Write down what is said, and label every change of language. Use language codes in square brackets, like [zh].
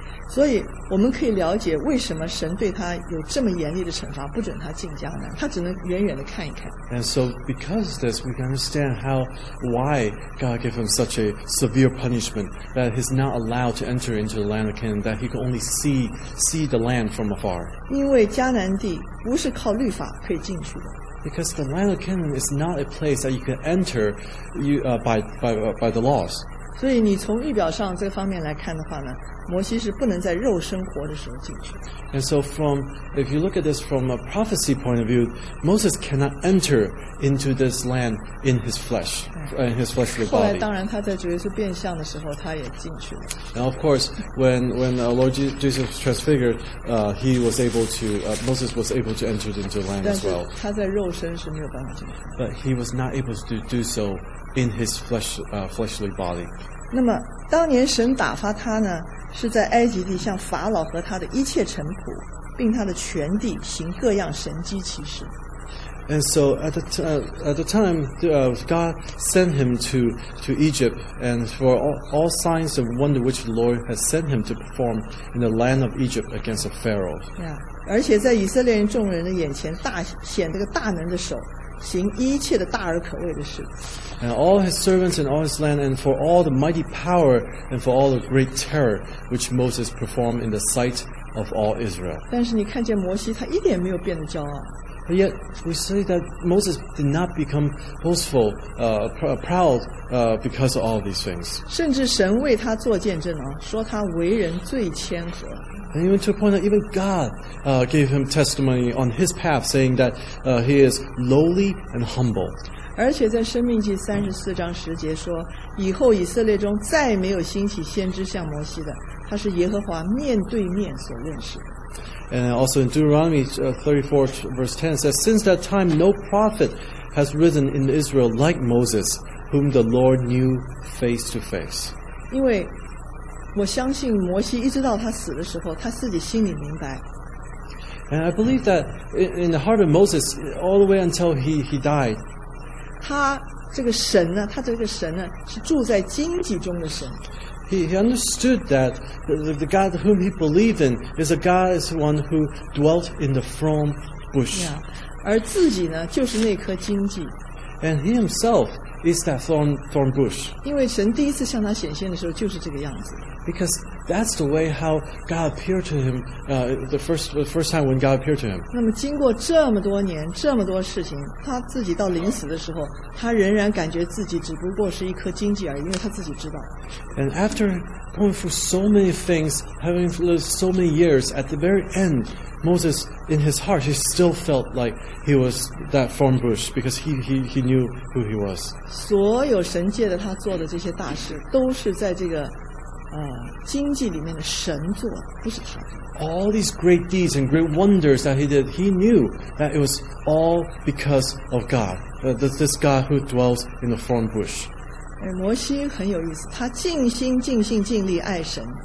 [zh] 所以我们可以了解为什么神对他有这么严厉的惩罚，不准他进迦南，他只能远远的看一看。 [en] And so because of this, we can understand why God gave him such a severe punishment that he's not allowed to enter into the land of Canaan, that he can only see the land from afar. [zh] 因为迦南地不是靠律法可以进去的。 [en] Because the land of Canaan is not a place that you can enter by the laws. [zh] 所以你从律表上这方面来看的话呢？摩西是不能在肉身活的时候进去。 [en] And so, if you look at this from a prophecy point of view, Moses cannot enter into this land in his flesh, in his fleshly body. [zh] 后来，当然他在主耶稣变相的时候，他也进去了。 [en] Now, of course, when Lord Jesus transfigured, Moses was able to enter into the land as well. [zh] 但是他在肉身是没有办法进去。 [en] But he was not able to do so in his fleshly body. [zh] 那么，当年神打发他呢？是在埃及地向法老和他的一切臣仆，并他的全地行各样神迹奇事。 [en] And so at the time, God sent him to Egypt, and for all signs of wonder which the Lord has sent him to perform in the land of Egypt against the Pharaoh. [zh] Yeah, 而且在以色列人众人的眼前大显这个大能的手。行一切的大而可畏的事。 [en] And all his servants and all his land, and for all the mighty power and for all the great terror which Moses performed in the sight of all Israel. [zh] 但是你看见摩西，他一点没有变得骄傲。 [en] But yet, we see that Moses did not become boastful, proud, because of all of these things. [zh] 甚至神为他做见证哦，说他为人最谦和。 [en] And even to a point that even God, gave him testimony on his path, saying that, he is lowly and humble. [zh] 而且在申命记三十四章十节说，以后以色列中再没有兴起先知像摩西的，他是耶和华面对面所认识的。 [en] And also in Deuteronomy 34 verse 10 says, Since that time no prophet has risen in Israel like Moses, whom the Lord knew face to face. [zh] 因为我相信摩西一直到他死的时候，他自己心里明白。 [en] And I believe that in the heart of Moses, all the way until he died, [zh] 他这个神呢，他这个神呢，是住在荆棘中的神。 [en] He understood that the God whom he believed in is a God, is one who dwelt in the thorn bush. [zh] Yeah, 而自己呢，就是那棵荆棘。 [en] And he himself is that thorn bush. [zh] 因为神第一次向他显现的时候就是这个样子。 [en] Because that's the way how God appeared to him, the first time when God appeared to him. [zh] 那么经过这么多年，这么多事情，他自己到临死的时候，他仍然感觉自己只不过是一颗荆棘而已，因为他自己知道。 [en] And after going through so many things, having lived so many years, at the very end, Moses, in his heart, he still felt like he was that thorn bush because he knew who he was. [zh] 所有神借着他做的这些大事，都是在这个。经济里面的神作不是他 [en] All these great deeds and great wonders that he did, he knew that it was all because of God, this God who dwells in the thorn bush. [zh] 摩西很有意思，他尽心尽性尽力爱神。